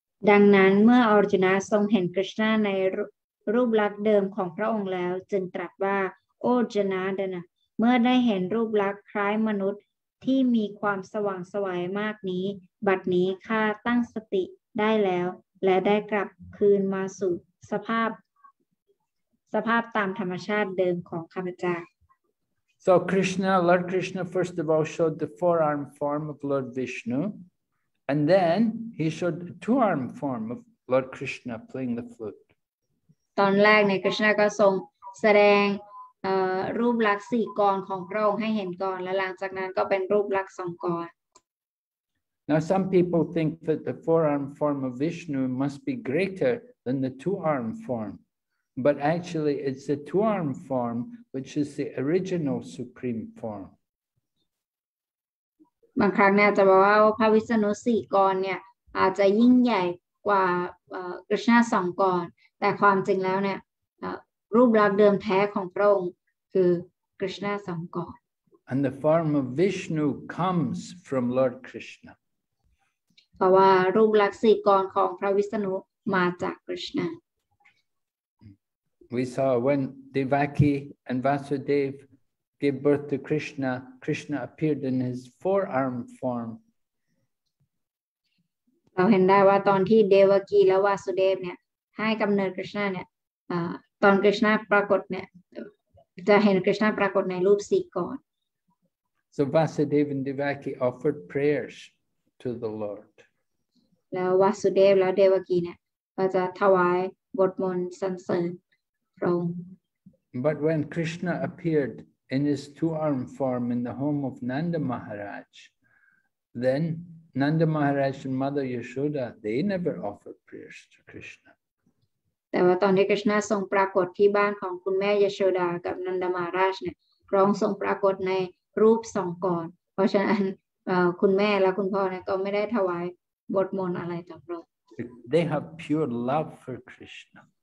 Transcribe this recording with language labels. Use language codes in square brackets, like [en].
[th] ดังนั้นเมื่ออาร์จุนะทรงเห็นคริสนาในรูปลักษณ์เดิมของพระองค์แล้วจึงตรัสว่าโอ้จนาดนะเมื่อได้เห็นรูปลักษณ์คล้ายมนุษย์ที่มีความสว่างสวยมากนี้บัดนี้ข้าตั้งสติได้แล้วและได้กลับคืนมาสู่สภาพตามธรรมชาติเดิมของข้าพเจ้า [en] So Krishna, Lord Krishna, first of all showed the forearm form of Lord Vishnu, and then he showed the two-arm form of Lord Krishna playing the flute. [th] ตอนแรกเนี่ยคริชนาก็ทรงแสดงรูปลักษณ์สี่กรของพระองค์ให้เห็นก่อนและหลังจากนั้นก็เป็นรูปลักษณ์สองกร [en] Now some people think that the forearm form of Vishnu must be greater than the two-arm form, but actually it's the two-arm form which is the original supreme form. [th] บางครั้งเนี่ยจะบอกว่าพระวิษณุสี่กรเนี่ยอาจจะยิ่งใหญ่กว่าคริชนาสองกรแต่ความจริงแล้วเนี่ยรูปลักษณ์เดิมแท้ของพระองค์คือคริชนาสองกร [en] And the form of Vishnu comes from Lord Krishna. [th] เพราะว่ารูปลักษณ์สี่กรของพระวิษณุมาจากคริชนา [en] We saw when Devaki and Vasudev gave birth to Krishna, Krishna appeared in his forearm form. [th] เราเห็นได้ว่าตอนที่เดวากีและวาสุเดฟเนี่ยให้กำเนิดคริชนาเนี่ยตอนคริชนาปรากฏเนี่ยจะเห็นคริชนาปรากฏในรูปสี่กร [en] So Vasudev and Devaki offered prayers to the Lord. [th] แล้ววาสุเดฟและเดวากีเนี่ยก็จะถวายบทมนต์สรรเสริญพระองค์ [en] But when Krishna appeared in his two-arm form in the home of Nanda Maharaj, then Nanda Maharaj and Mother Yashoda they never offered prayers to Krishna. [th] แต่ว่าตอนที่คริชนาทรงปรากฏที่บ้านของคุณแม่ยโชดากับนันดามาราชเนี่ยพระองค์ทรงปรากฏในรูปสองกรเพราะฉะนั้นคุณแม่และคุณพ่อเนี่ยก็ไม่ได้ถวายบทมนต์อะไรต่อพระองค์ [en] They have pure love for Krishna.